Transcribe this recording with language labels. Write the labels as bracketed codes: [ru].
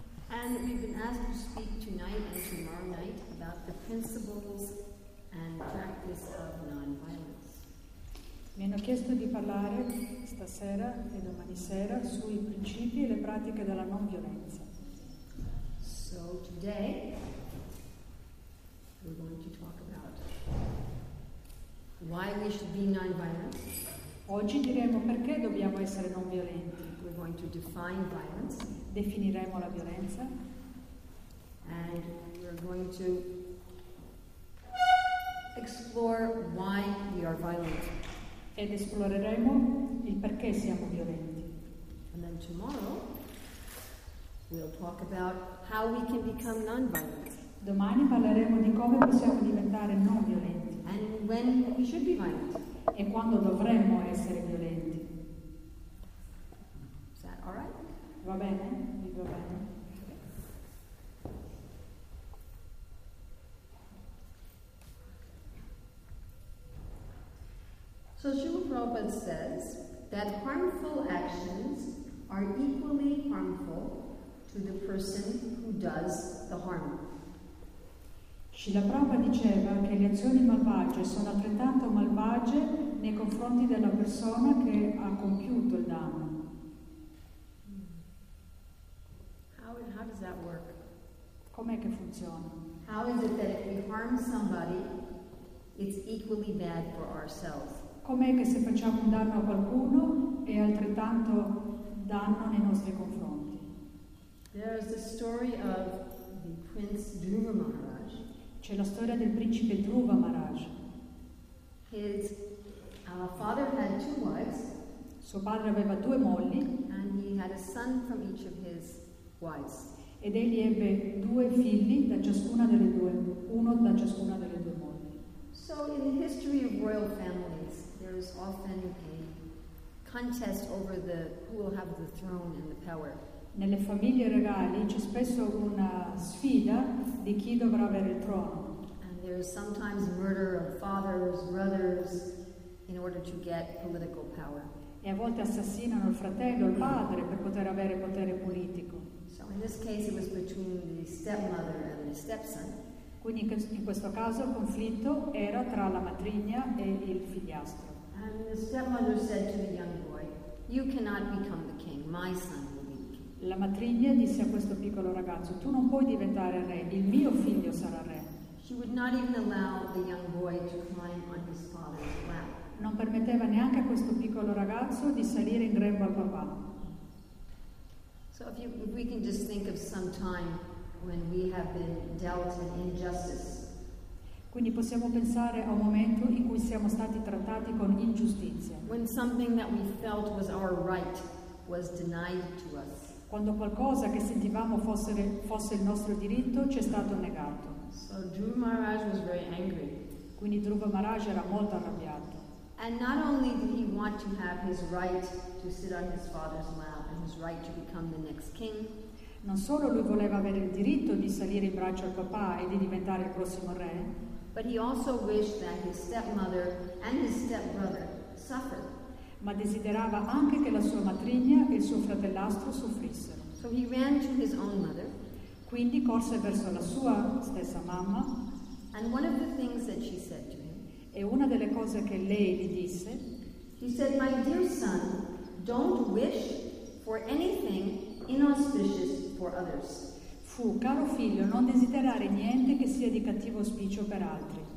[en] And we've been asked to speak tonight and tomorrow night about the principles and practice of nonviolence. [it] Mi hanno chiesto di parlare stasera e domani sera sui principi e le pratiche della non violenza. [en] So today we're going to talk about why we should be nonviolent. [it] Oggi diremo perché dobbiamo essere non violenti. [en] We're going to define violence. [it] Definiremo la violenza. [en] And we're going to explore why we are violent. [it] Ed esploreremo il perché siamo violenti. [en] And then tomorrow we'll talk about how we can become non-violent. [it] Domani parleremo di come possiamo diventare non violenti. [en] And when we should be violent. [it] E quando dovremmo essere violenti. [en] Is that all right? [it] Va bene? Mi va bene. [en] So Srila Prabhupada says that harmful actions are equally harmful to the person who does the harm. [it] Srila Prabhupada diceva che le azioni malvagie sono altrettanto malvagie nei confronti della persona che ha compiuto il danno. [en] How does that work? [it] Com'è che funziona? [en] How is it that if we harm somebody, it's equally bad for ourselves? [it] Com'è che se facciamo un danno a qualcuno è altrettanto danno nei nostri confronti? [en] There is the story of the Prince Dhruva Maharaj. [it] C'è la storia del principe Dhruva Maharaj. [en] His father had two wives. [it] Suo padre aveva due mogli. [en] And he had a son from each of his wives. [it] Ed egli ebbe due figli da ciascuna delle due, uno da ciascuna delle due mogli. [en] So in the history of royal families, there is often a contest over who will have the throne and the power. [it] Nelle famiglie regali c'è spesso una sfida di chi dovrà avere il trono. [en] And there is sometimes murder of fathers, brothers, in order to get political power. [it] E a volte assassinano il fratello, il padre, per poter avere potere politico. [en] So in this case it was between the stepmother and the stepson. [it] Quindi in questo caso il conflitto era tra la matrigna e il figliastro. [en] And the stepmother said to the young boy, "You cannot become the king, my son will be." [it] La matrigna disse a questo piccolo ragazzo, "Tu non puoi diventare re, il mio figlio sarà re." [en] She would not even allow the young boy to climb on his father's lap. [it] Non permetteva neanche a questo piccolo ragazzo di salire in grembo al papà. [en] So if we can just think of some time when we have been dealt an injustice. [it] Quindi possiamo pensare a un momento in cui siamo stati trattati con ingiustizia. [en] When something that we felt was our right was denied to us. [it] Quando qualcosa che sentivamo fosse il nostro diritto ci è stato negato. [en] So Dhruva Maharaj was very angry. [it] Quindi Dhruva Maharaj era molto arrabbiato. [en] And not only did he want to have his right to sit on his father's lap and his right to become the next king. [it] Non solo lui voleva avere il diritto di salire in braccio al papà e di diventare il prossimo re. [en] But he also wished that his stepmother and his stepbrother suffered. [it] Ma desiderava anche che la sua matrigna e il suo fratellastro soffrissero. [en] So he ran to his own mother. [it] Quindi corse verso la sua stessa mamma. [en] And one of the things that she said to him. [it] E una delle cose che lei gli disse, [en] he said, "My dear son, don't wish for anything inauspicious for others." [it] Fu, caro figlio, non desiderare niente che sia di cattivo auspicio per altri.